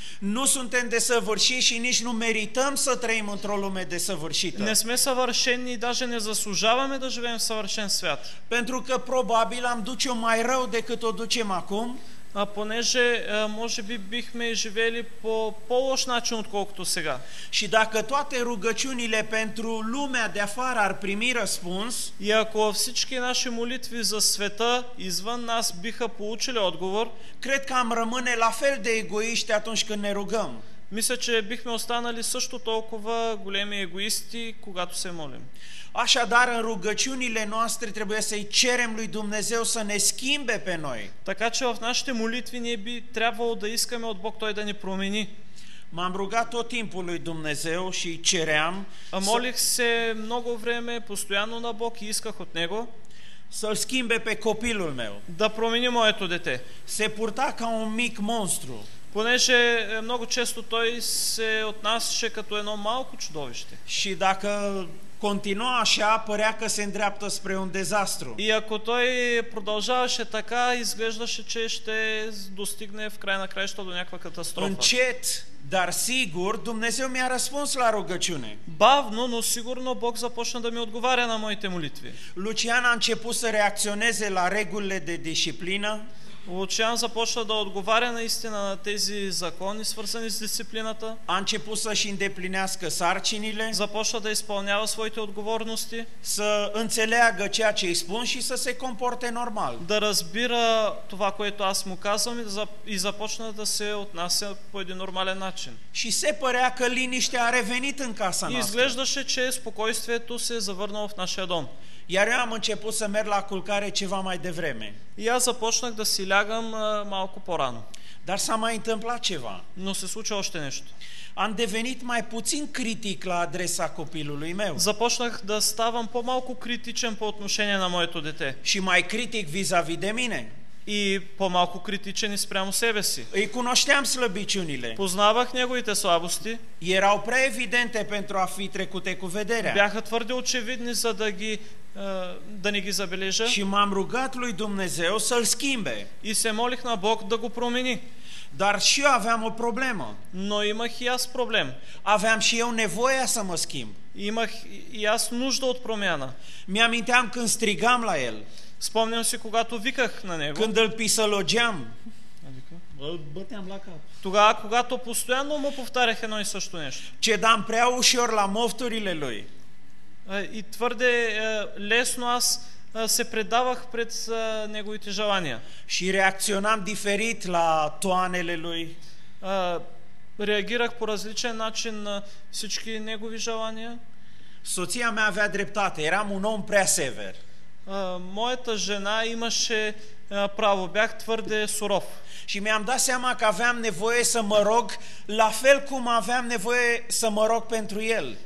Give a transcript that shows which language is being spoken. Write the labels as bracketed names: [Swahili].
[Romanian] Nu suntem desăvârșiți și nici nu merităm să trăim într-o lume desăvârșită. [Bulgarian] Не сме съвършени и даже не заслужаваме да живеем в съвършен свят. [Romanian] Pentru că probabil am duce-o mai rău decât o ducem acum. [Bulgarian] А понеже може би бихме живели по по-лош начин отколкото сега. [Romanian] Și dacă toate rugăciunile pentru lumea de afară ar primi răspuns, [Bulgarian] и ако всички наши молитви за света извън нас биха получили отговор, [Romanian] cred că am rămâne la fel de egoiști atunci când ne rugăm. [Bulgarian] Мисля, че бихме останали също толкова големи егоисти, когато се молим. [Romanian] Așadar, în rugăciunile noastre trebuie să-i cerem lui Dumnezeu să ne schimbe pe noi. [Bulgarian] Така че в нашите молитви ние би трябвало да искаме от Бог той да ни промени. [Romanian] M-am rugat tot timpul lui Dumnezeu și ceream. [Bulgarian] Молих се много време постоянно на Бог и исках от него. [Romanian] Să-l schimbe pe copilul meu. [Bulgarian] Да промени моето дете. [Romanian] Se purta ca un mic monstru. [Bulgarian] Понеже много често той се отнасяше като едно малко чудовище. [Romanian] Și dacă continua așa, părea că se îndreaptă spre un dezastru. [Bulgarian] И ако той продължаваше така, изглеждаше, че ще достигне в край на краища до някаква катастрофа. [Romanian] Încet, Dar sigur, Dumnezeu mi-a răspuns la rugăciune. [Bulgarian] Bavno, но сигурно Бог започна да ми отговаря на моите молитви. [Romanian] Lucian a început să reacționeze la regulile de disciplină. [Bulgarian] Lucian започна да отговаря наистина на тези закони, свързани с дисциплината. [Romanian] A început să-și îndeplinească sarcinile. [Bulgarian] Започна да изпълнява своите отговорности. [Romanian] Să înțeleagă ceea ce îi spun și să se comporte normal. [Bulgarian] Да разбира това, което аз му казвам и започна да се отнася по един нормален начин. [Romanian] Și se părea că liniștea a revenit în casa noastră. [Bulgarian] Изглеждаше, че спокойствието се завърна в нашия дом. [Romanian] Iar eu am început să merg la culcare ceva mai devreme. [Bulgarian] Я започнах да си лягам малко по-рано. [Romanian] Dar s-a mai întâmplat ceva. [Bulgarian] Но се случи още нещо. [Romanian] Am devenit mai puțin critic la adresa copilului meu. [Bulgarian] Започнах да ставам по-малко критичен по отношение на моето дете. [Romanian] Și mai critic vis-a-vis de mine. [Bulgarian] И по-малко критичен спрямо себе си. [Romanian] Îi cunoșteam slăbiciunile. [Bulgarian] Познавах неговите слабости. [Romanian] Erau prea evidente pentru a fi trecute cu vederea. [Bulgarian] Бяха твърде очевидни, за да ги да не ги забележа. [Romanian] Și m-am rugat lui Dumnezeu să-l schimbe. [Bulgarian] И се молих на Бог да го промени. [Romanian] Dar și eu aveam o problemă. [Bulgarian] Но имах и аз проблем. [Romanian] Aveam și eu nevoia să mă schimb. [Bulgarian] Имах и аз нужда от промяна. [Romanian] Mi-aminteam când strigam la el. [Bulgarian] Спомням си когато виках на него. [Romanian] Când îl pisălogeam. Băteam la cap. [Bulgarian] Тогава когато постоянно му повтарях едно и също нещо. [Romanian] Cedam prea ușor la mofturile lui. [Bulgarian] И твърде лесно аз се предавах пред неговите желания. [Romanian] Și reacționam diferit la toanele lui. [Bulgarian] Реагирах по различен начин на всички негови желания. [Romanian] Soția mea avea dreptate, eram un om prea sever. [Bulgarian] Моята жена имаше право, бях твърде суров. [Romanian] Și mi-am dat seama că aveam nevoie să mă rog la fel cum aveam nevoie să mă rog pentru el.